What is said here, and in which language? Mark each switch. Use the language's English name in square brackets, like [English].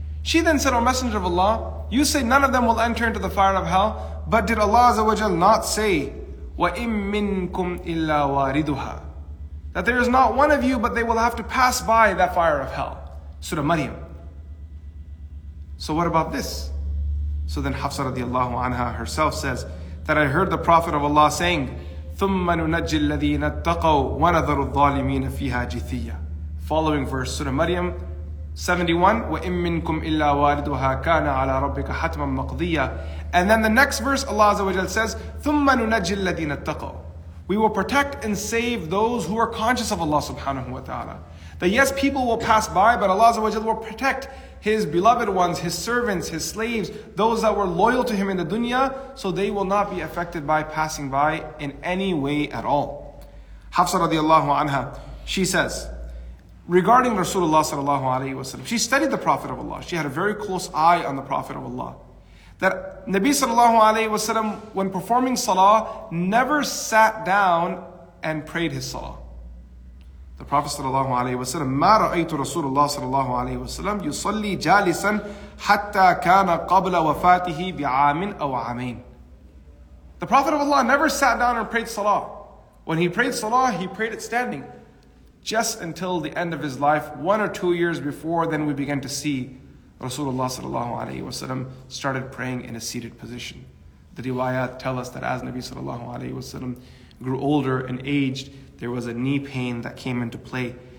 [English] She then said, O Messenger of Allah, you say none of them will enter into the fire of hell, but did Allah Azza wa Jal not say, [Arabic] وَإِن مِّنْكُمْ إِلَّا وَارِدُهَا, [English] that there is not one of you, but they will have to pass by that fire of hell. Surah Maryam. So what about this? So then Hafsa radiallahu anha herself says, that I heard the Prophet of Allah saying, [Arabic] ثُمَّ نُنَجِّ الَّذِينَ اتَّقَوْا وَنَذَرُ الظَّالِمِينَ فِيهَا جِثِيَّةً. [English] Following verse [Arabic] Surah Maryam, 71, وَإِن مِّنْكُمْ إِلَّا وَارِدُهَا كَانَ عَلَىٰ رَبِّكَ حَتْمًا مَقْضِيًّا. [English] And then the next verse, Allah Azza wa Jal says, [Arabic] ثُمَّ نُنَجِّ الَّذِينَ اتَّقَوْا. [English] We will protect and save those who are conscious of Allah subhanahu wa ta'ala. That yes, people will pass by, but Allah Azza wa Jal will protect His beloved ones, His servants, His slaves, those that were loyal to Him in the dunya, so they will not be affected by passing by in any way at all. Hafsa radiallahu anha, she says, regarding Rasulullah sallallahu alayhi wa sallam, she studied the Prophet of Allah. She had a very close eye on the Prophet of Allah. That Nabi sallallahu alayhi wa sallam, when performing salah, never sat down and prayed his salah. The Prophet [Arabic] sallallahu alayhi wa sallam, مَا رَأَيْتُ رَسُولُ اللَّهِ صَلَى اللَّهُ عَلَيْهِ وَسَلَمْ يُصَلِّي جَالِسًا حَتَّى كَانَ قَبْلَ وَفَاتِهِ بِعَامٍ أَوْ عَمَيْنٍ. [English] The Prophet of Allah never sat down and prayed salah. When he prayed salah, he prayed it standing, just until the end of his life, 1 or 2 years before, then we began to see Rasulullah sallallahu alayhi wa sallam started praying in a seated position. The riwayat tell us that as Nabi sallallahu alayhi wa sallam grew older and aged, there was a knee pain that came into play.